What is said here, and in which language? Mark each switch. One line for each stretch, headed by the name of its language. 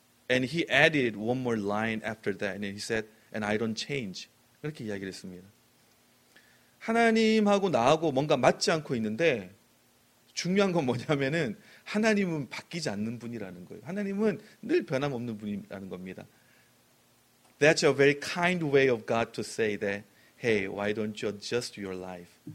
English: And he added one more line after that, and he said, "And I don't change."
Korean: 이렇게 이야기를 했습니다. 하나님하고 나하고 뭔가 맞지 않고 있는데 중요한 건 뭐냐면은 하나님은 바뀌지 않는 분이라는 거예요. 하나님은 늘 변함없는 분이라는 겁니다.
English: That's a very kind way of God to say that, "Hey, why don't you adjust your life?"